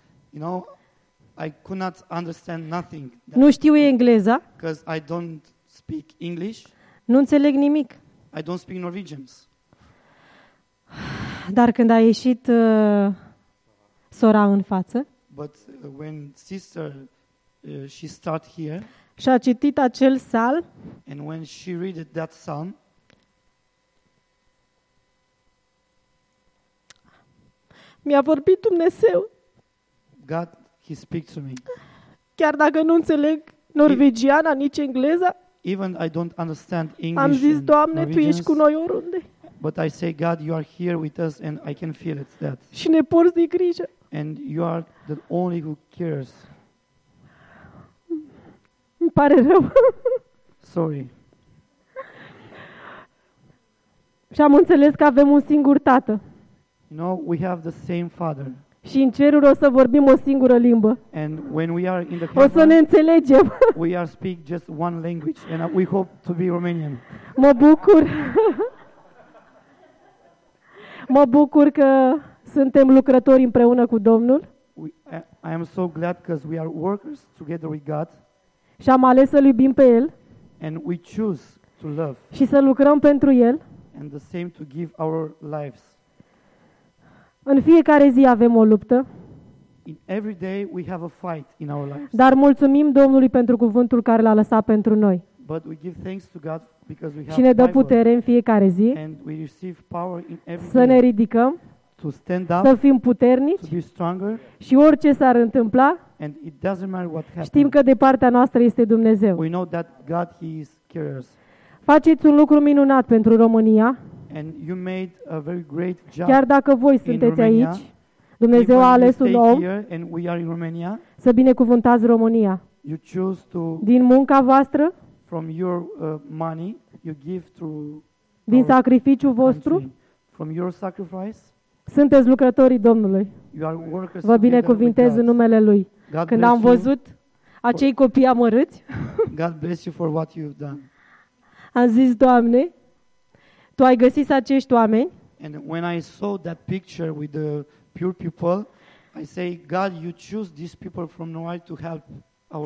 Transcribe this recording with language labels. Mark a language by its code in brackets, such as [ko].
[en] You know, I could not understand nothing. [ro] Nu știu engleza. [en] Because I don't speak English. [ro] Nu înțeleg nimic. [en] I don't speak Norwegian. [ro] Dar când a ieșit sora în față, [en] but when sister she start here, [ro] și a citit acel psalm, [en] and when she read that psalm, [ro] mi-a vorbit Dumnezeu. [en] God, he speaks to me. [ro] Chiar dacă nu înțeleg norvegiana, nici engleza, [en] even I don't understand English, [ro] am zis, Doamne, tu ești cu noi oriunde. [en] But I say, God, you are here with us and I can feel it, that. [ro] Și ne porți de grijă. [en] And you are the only who cares. [ro] Îmi pare rău. [en] Sorry. [ro] Și am înțeles că avem un singur tată. [en] You know, we have the same father. [ro] Și în ceruri o să vorbim o singură limbă. [en] And when we are in the heaven, [ro] o să ne înțelegem. [en] We are speak just one language and we hope to be Romanian. [ro] Mă bucur. Mă bucur că suntem lucrători împreună cu Domnul. [en] I am so glad because we are workers together with God. [ro] Și am ales să-L iubim pe El. [en] And we choose to love. [ro] Și să lucrăm pentru El. [en] And the same to give our lives. [ro] În fiecare zi avem o luptă. [en] In every day we have a fight in our lives. [ro] Dar mulțumim Domnului pentru cuvântul care l-a lăsat pentru noi. [en] But we give thanks to God because we have [ro] și ne dă putere în fiecare zi. [en] And we receive power in every [ro] să ne ridicăm, [en] to stand up, [ro] să fim puternici, [en] to be stronger, [ro] și orice s-ar întâmpla, [en] and it doesn't matter what happens. [ro] Știm că de partea noastră este Dumnezeu. [en] We know that God, he is curious. [ro] Faceți un lucru minunat pentru România. [en] And you made a very great job. [ro] Chiar dacă voi sunteți Romania, aici, Dumnezeu a ales un om Romania, să binecuvântați România. [en] You choose to, [ro] din munca voastră, [en] from your money, you give to [ro] din sacrificiul vostru, [en] from your sacrifice. [ro] Sunteți lucrătorii Domnului. [en] You are workers. [ro] Vă binecuvintez în numele Lui. [en] God [ro] când am văzut acei copii amărâți, [en] God bless you for what you've done. [ro] Am zis, Doamne, Tu ai găsit acești oameni. [en] And when I saw that picture with the pure people, I say, God, you choose these people from nowhere to help our.